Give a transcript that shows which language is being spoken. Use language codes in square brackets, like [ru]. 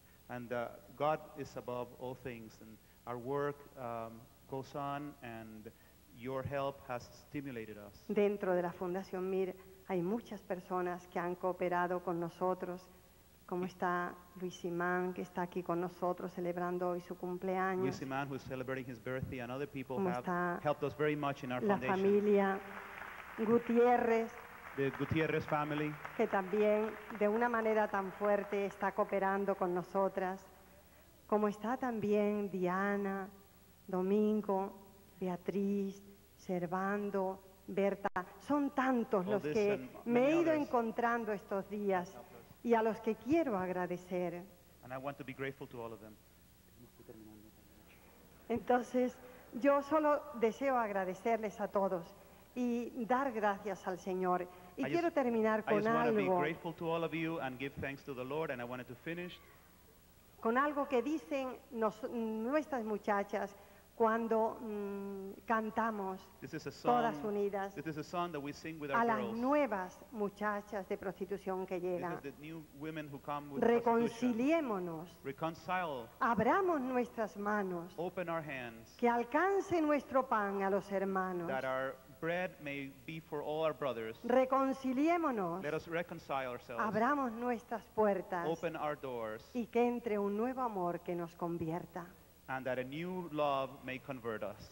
[en] And God is above all things, and our work goes on, and your help has stimulated us. [es] Dentro de la Fundación MIR hay muchas personas que han cooperado con nosotros, como está Luis Imán, que está aquí con nosotros celebrando hoy su cumpleaños. [en] Luis Imán, who is celebrating his birthday, and other people have helped us very much in our [es] la [en] foundation. [es] La familia Gutiérrez. [en] The Gutiérrez family. [es] Que también, de una manera tan fuerte, está cooperando con nosotras. Como está también Diana, Domingo, Beatriz, Servando, Berta. Son tantos [en] all [es] los que me he ido encontrando estos días y a los que quiero agradecer. [en] And I want to be grateful to all of them. [es] Entonces, yo solo deseo agradecerles a todos y dar gracias al Señor. Y quiero terminar con algo. [en] I just want to be grateful to all of you and give thanks to the Lord, and I wanted to finish. [es] Con algo que dicen nuestras muchachas cuando cantamos todas unidas. [en] This is a song that we sing with our [es] a [en] girls. [es] A las nuevas muchachas de prostitución que llegan. [en] This is the new women who come with [es] reconciliémonos. [en] Reconcile. [es] Abramos nuestras manos. [en] Open our hands. [es] Que alcance nuestro pan a los hermanos. [en] That our bread may be for all our brothers. [es] Reconciliémonos. [en] Let us reconcile ourselves. [es] Abramos nuestras puertas. [en] Open our doors. [es] Y que entre un nuevo amor que nos convierta. [en] And that a new love may convert us.